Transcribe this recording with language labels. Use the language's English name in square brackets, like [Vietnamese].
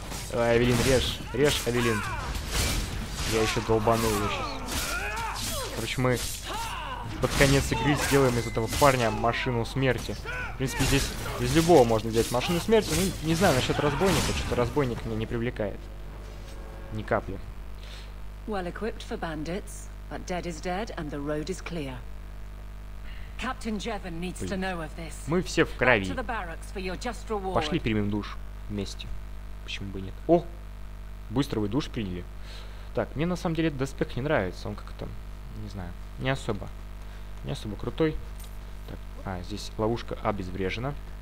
[Russian] Давай, Авелин, режь, Авелин. Я еще долбанул ее сейчас. Короче, мы под конец игры сделаем из этого парня машину смерти. В принципе, здесь из любого можно взять машину смерти. Ну, не знаю насчет разбойника, что-то разбойник меня не привлекает. Ни капли. [English] Well equipped for bandits, but dead is dead, and the road is clear. Captain Jevon needs to know of this. [Russian] Мы все в крови. Пошли примем душ вместе. Почему бы и нет? О! Быстро вы душ приняли. Так, мне на самом деле этот доспех не нравится. Он как-то, не знаю, не особо крутой. Так, А, здесь ловушка обезврежена.